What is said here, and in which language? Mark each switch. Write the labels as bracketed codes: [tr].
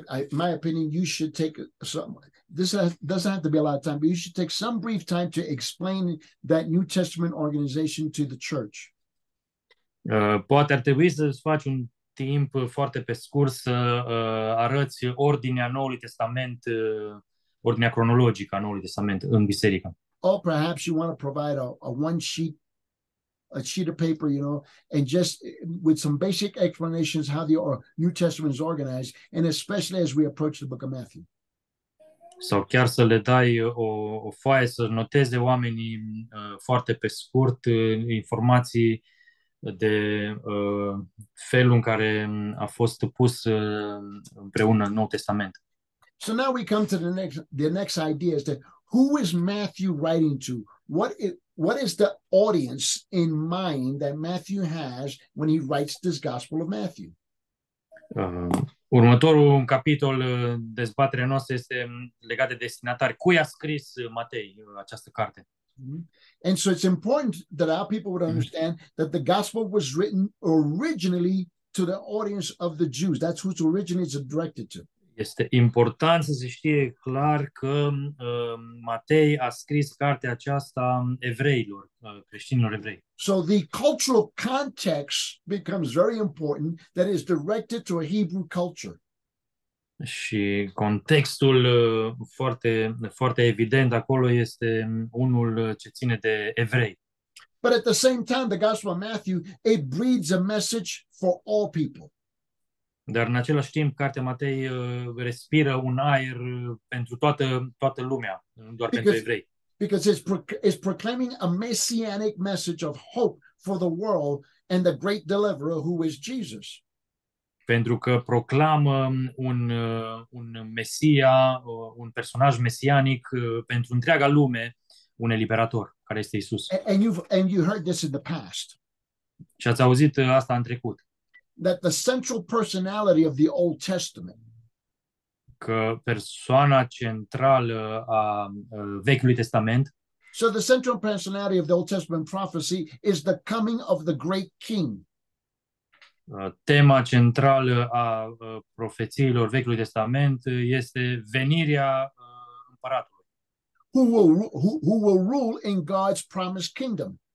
[en] My opinion, you should take some, this doesn't have to be a lot of time, but you should take some brief time to explain that New Testament organization to the church. [ro] Poate ar trebui să faci un timp foarte pe scurs să arăți ordinea Noului Testament, ordinea cronologică a Noului Testament în biserică. [en] Or perhaps you want to provide a sheet of paper, you know, and just with some basic explanations how the New Testament is organized, and especially as we approach the book of Matthew. [ro] Sau chiar să le dai o foaie să noteze oamenii foarte pe scurt informații de felul în care a fost pus împreună Noul Testament. [en] So now we come to the next idea is that who is Matthew writing to? What is the audience in mind that Matthew has when he writes this Gospel of Matthew? [ro] Următorul capitol dezbaterea noastră este legat de destinatari. Cui a scris Matei această carte? Mm-hmm. [en] And so it's important that our people would understand that the Gospel was written originally to the audience of the Jews. That's who it's originally directed to. [ro] Este important să se știe clar că Matei a scris cartea aceasta evreilor, creștinilor evrei. [en] So the cultural context becomes very important, that is directed to a Hebrew culture. [ro] Și contextul foarte, foarte evident acolo este unul ce ține de evrei. [en] But at the same time, the Gospel of Matthew, it breeds a message for all people. [ro] Dar în același timp, cartea Matei respiră un aer pentru toată lumea, nu doar pentru evrei. [en] Because it's proclaiming a messianic message of hope for the world and the great deliverer who is Jesus. [ro] Pentru că proclamă un mesia, un personaj mesianic pentru întreaga lume, un eliberator, care este Isus. [en] And you heard this in the past. [ro] Și ați auzit asta în trecut. [en] That the central personality of the Old Testament, [ro] că persoana centrală a Vechiului Testament, [en] so the central personality of the Old Testament prophecy is the coming of the great king. [ro] Tema centrală a profețiilor Vechiului Testament este venirea împăratului. [en] Who will rule in God's promised kingdom.